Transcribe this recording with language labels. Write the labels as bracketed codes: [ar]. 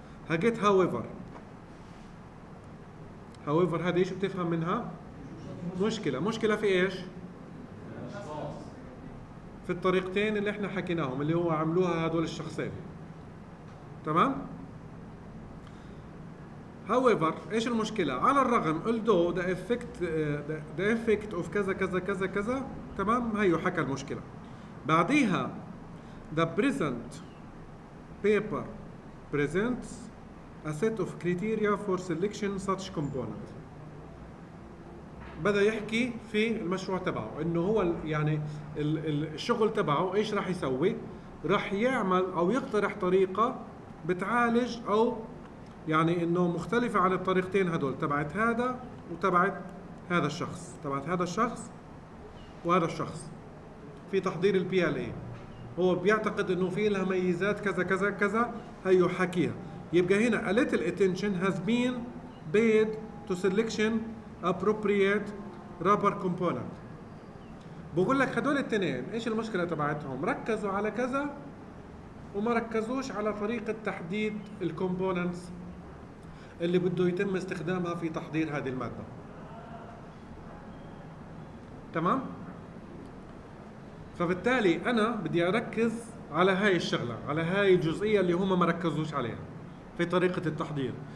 [ar] هجيت however هذا إيش بتفهم منها؟ مشكلة في إيش؟ في الطريقتين اللي إحنا حكيناهم اللي هو عملوها هذول الشخصين. تمام؟ however إيش المشكلة؟ على الرغم [en] although the effect of [ar] كذا كذا كذا كذا. تمام؟ هيو حكى المشكلة. بعديها [en] the present paper presents a set of criteria for selection such component. [ar] بدأ يحكي في المشروع تبعه إنه هو يعني الشغل تبعه إيش راح يسوي؟ راح يعمل أو يقترح طريقة بتعالج أو يعني إنه مختلفة عن الطريقتين هذول تبعت هذا وتبعت هذا الشخص. تبعت هذا الشخص وهذا الشخص في تحضير الـ PLA. هو بيعتقد إنه فيه لها ميزات كذا كذا كذا. هيو حكيها. يبقى هنا [en] a little attention has been paid to selection appropriate rubber component. [ar] بقول لك هدول التنين إيش المشكلة تبعتهم؟ ركزوا على كذا وما ركزوش على طريقة تحديد الكومبوننتس اللي بده يتم استخدامها في تحضير هذه المادة. تمام؟ فبالتالي أنا بدي أركز على هاي الشغلة على هاي الجزئية اللي هما مركزوش عليها. في طريقة التحضير.